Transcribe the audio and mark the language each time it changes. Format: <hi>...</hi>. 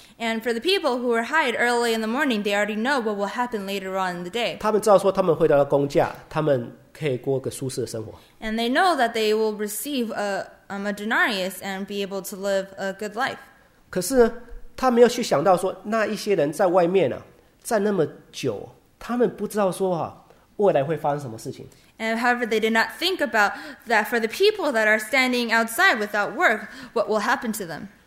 <en>And for the people who were hired early in the morning, they already know what will happen later on in the day.</en> <zh>他们知道说他们会得到工价，他们可以过个舒适的生活。</zh> <en>And they know that they will receive a denarius and be able to live a good life.</en> <zh>可是呢，他没有去想到说那一些人在外面呢，站那么久，他们不知道说未来会发生什么事情。</zh> <en>And however, they did not think about that for the people that are standing outside without work, what will happen to them?</en>